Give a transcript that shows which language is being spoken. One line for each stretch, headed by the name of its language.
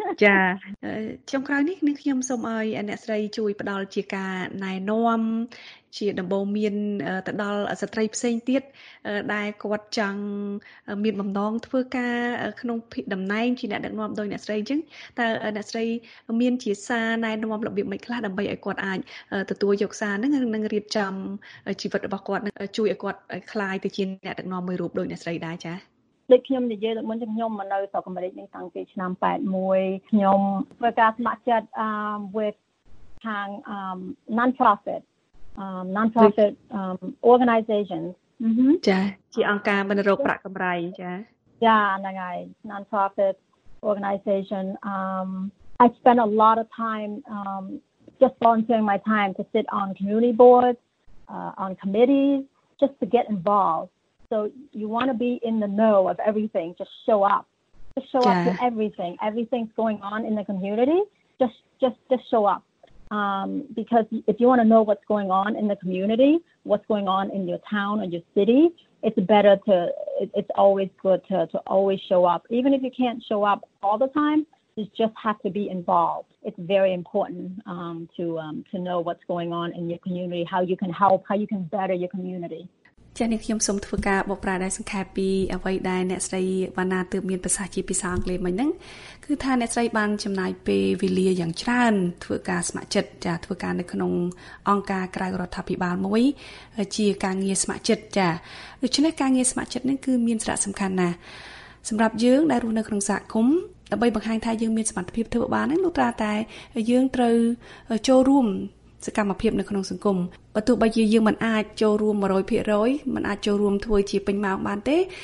Khmer: ចាខ្ញុំក្រោយនេះខ្ញុំសូមឲ្យអ្នកស្រីជួយផ្ដល់ជាការណែនាំជាដំបូងមានទៅដល់ស្ត្រីផ្សេងទៀតដែលគាត់ចង់មានបំណងធ្វើការក្នុងភិដំណែងជាអ្នកដឹកនាំដោយអ្នកស្រីអញ្ចឹងតើអ្នកស្រីមានជាសារណែនាំរបៀបមួយខ្លះដើម្បីឲ្យគាត់អាចទទួលយកសារហ្នឹងនិងរៀបចំជីវិតរបស់គាត់នឹងជួយឲ្យគាត់ក្លាយទៅជាអ្នកដឹកនាំមួយរូបដោយអ្នកស្រីដែរចា ដូចខ្ញុំនិយាយដល់មុនខ្ញុំមកនៅស្រុកអាមេរិកនេះតាំងពីឆ្នាំ81ខ្ញុំធ្វើការស្ម័គ្រចិត្ត
English: with
Khmer: ខាង
English: non profitnonprofit organizations
Khmer: ចាជាអង្គការមិនរកប្រាក់កម្រៃចា ចាហ្នឹងហើយ
English: nonprofit organization I spend a lot of time just volunteering my time to sit on community boards on committees just to get involved so you want to be in the know of everything just show up to everything's going on in the community just show upbecause if you want to know what's going on in the community, what's going on in your town or your city, it's always good to always show up. Even if you can't show up all the time, you just have to be involved. It's very important to know what's going on in your community, how you can help, how you can better your community.
Khmer: ចា៎នេះខ្ញុំសូមធ្វើការបកប្រែដែរសង្ខេបពីអ្វីដែលអ្នកស្រីវណ្ណាទើបមានប្រសាសន៍ជាភាសាអង់គ្លេសមិញហ្នឹងគឺថាអ្នកស្រីបានចំណាយពេលវេលាយ៉ាងច្រើនធ្វើការស្ម័គ្រចិត្តចា៎ធ្វើការនៅក្នុងអង្គការក្រៅរដ្ឋាភិបាលមួយ ជាការងារស្ម័គ្រចិត្តចា៎ដូច្នេះការងារស្ម័គ្រចិត្តហ្នឹងគឺមានសារៈសំខាន់ណាស់សម្រាប់យើងដែលរស់នៅក្នុងសហគមន៍ដើម្បីបង្ហាញថាយើងមានសមត្ថភាពធ្វើបានហ្នឹងនោះត្រូវតែយើងត្រូវចូលរួមសកម្មភាពនៅក្នុងសង្គមបើទោះបីជាយើងមិនអាចចូលរួម 100% មិនអាចចូលរួមធ្វើជាពេញម៉ោងបានទេ